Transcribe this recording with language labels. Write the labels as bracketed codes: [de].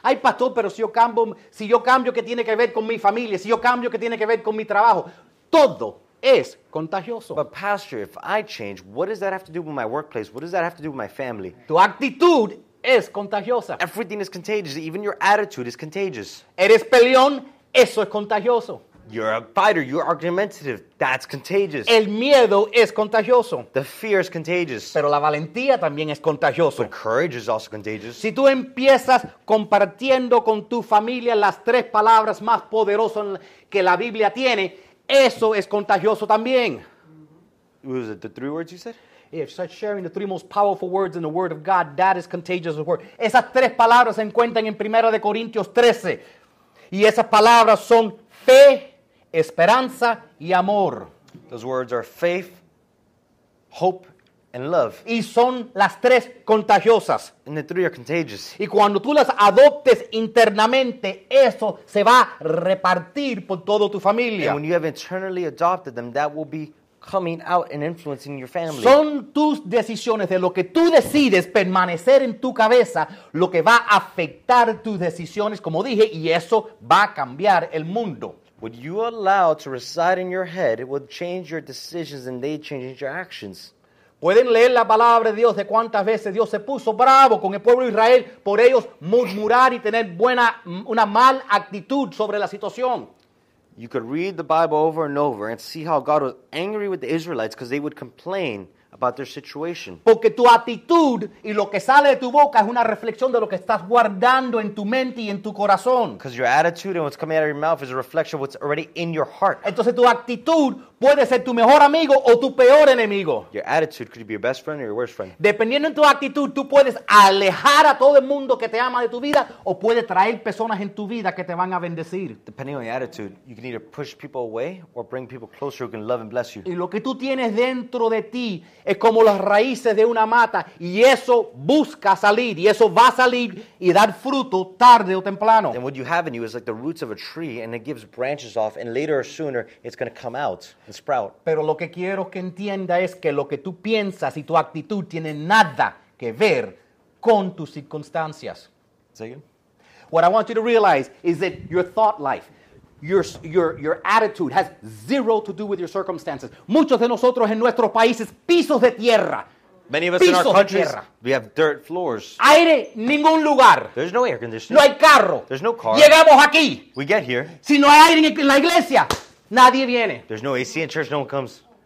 [es] Ay, pastor, pero si yo cambio que tiene que ver con mi familia, si yo cambio que tiene que ver con mi trabajo, todo es contagioso. [en] But pastor, if I change, what does that have to do with my workplace? What does that have to do with my family? [es] Tu actitud es contagiosa. [en] Everything is contagious. Even your attitude is contagious. [es] Eres peleón, eso es contagioso. [en] You're a fighter. You're argumentative. That's contagious. [es] El miedo es contagioso. [en] The fear is contagious. [es] Pero la valentía también es contagioso. [en] But courage is also contagious. [es] Si tú empiezas compartiendo con tu familia las tres palabras más poderosas que la Biblia tiene, eso es contagioso también. [en] Was it the three words you said? If you start sharing the three most powerful words in the Word of God, that is contagious. Word. [es] Esas tres palabras se encuentran en 1 Corintios 13. Y esas palabras son fe, esperanza y amor. [en] Those words are faith, hope, and love. [es] Y son las tres contagiosas. [en] And the three are contagious. [es] Y cuando tú las adoptes internamente, eso se va a repartir por toda tu familia. [en] And when you have internally adopted them, that will be coming out and influencing your family. [es] Son tus decisiones, de lo que tú decides permanecer en tu cabeza, lo que va a afectar tus decisiones, como dije, y eso va a cambiar el mundo. [en] What you allow to reside in your head, it will change your decisions and they change your actions. [es] Pueden leer la palabra de Dios de cuántas veces Dios se puso bravo con el pueblo de Israel por ellos murmurar y tener una mala actitud sobre la situación. [en] You could read the Bible over and over and see how God was angry with the Israelites because they would complain about their situation. [es] Porque tu actitud y lo que sale de tu boca es una reflexión de lo que estás guardando en tu mente y en tu corazón. [en] Because your attitude and what's coming out of your mouth is a reflection of what's already in your heart. [es] Entonces tu actitud puede ser tu mejor amigo o tu peor enemigo. [en] Your attitude could be your best friend or your worst friend. [es] Dependiendo en tu actitud, tú puedes alejar a todo el mundo que te ama de tu vida o puede traer personas en tu vida que te van a bendecir. [en] Depending on your attitude, you can either push people away or bring people closer who can love and bless you. [es] Y lo que tú tienes dentro de ti es como las raíces de una mata y eso busca salir y eso va a salir y dar fruto tarde o temprano. [en] And what you have in you is like the roots of a tree and it gives branches off and later or sooner it's going to come out. Sprout. [es] Pero lo que quiero que entienda es que lo que tú piensas y tu actitud tiene nada que ver con tus circunstancias. [en] Say again. What I want you to realize is that your thought life, your attitude has zero to do with your circumstances. [es] Muchos de nosotros en nuestros países pisos de tierra. [en] Many of us pisos in our countries, we have dirt floors. [es] Aire, ningún lugar. [en] There's no air conditioning. [es] No hay carro. [en] There's no car. [es] Llegamos aquí. [en] We get here. [es] Si no hay aire en la iglesia. Nadie viene. [en] There's no AC in church, no one comes.